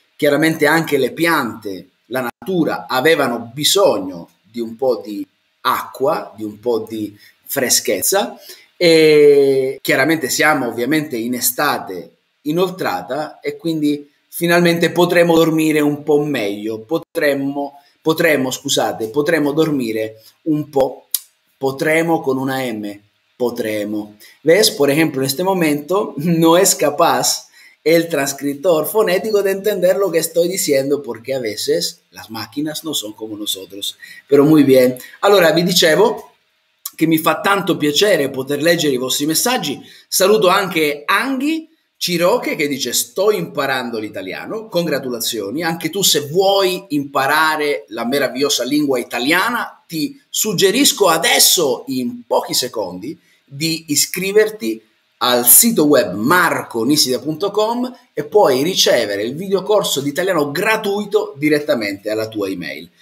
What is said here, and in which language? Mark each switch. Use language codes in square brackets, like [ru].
[it] Chiaramente anche le piante, la natura, avevano bisogno di un po' di acqua, di un po' di freschezza, e chiaramente siamo ovviamente in estate inoltrata e quindi finalmente potremo dormire un po' meglio, potremo dormire un po', potremo con una M, potremo. [es] ¿Ves? Por ejemplo, en este momento no es capaz el transcriptor fonético de entender lo que estoy diciendo porque a veces las máquinas no son como nosotros. Pero muy bien. [it] Allora, vi dicevo che mi fa tanto piacere poter leggere i vostri messaggi. Saluto anche Anghi Ciroche che dice sto imparando l'italiano, congratulazioni. Anche tu se vuoi imparare la meravigliosa lingua italiana, ti suggerisco adesso in pochi secondi di iscriverti al sito web marconisida.com e puoi ricevere il videocorso di italiano gratuito direttamente alla tua email.